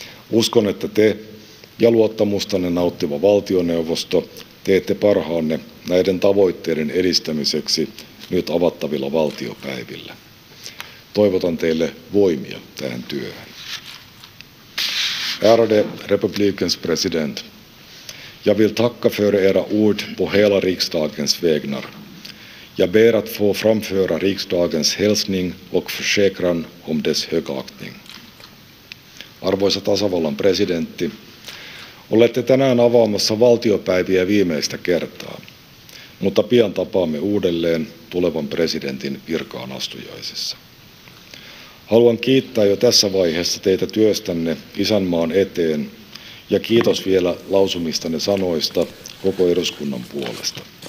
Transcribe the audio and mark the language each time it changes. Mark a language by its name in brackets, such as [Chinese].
[Finnish] Uskon, että te ja luottamustanne nauttiva valtioneuvosto teette parhaanne näiden tavoitteiden edistämiseksi nyt avattavilla valtiopäivillä. Toivotan teille voimia tähän työhön. [Swedish] Ärade republikens president, jag vill tacka för era ord på hela riksdagens vägnar. Jag ber att få framföra riksdagens hälsning och försäkran om dess högaktning. [Finnish] Arvoisa tasavallan presidentti, olette tänään avaamassa valtiopäiviä viimeistä kertaa, mutta pian tapaamme uudelleen tulevan presidentin virkaan astujaisessa. Haluan kiittää jo tässä vaiheessa teitä työstänne isänmaan eteen ja kiitos vielä lausumistanne sanoista koko eduskunnan puolesta.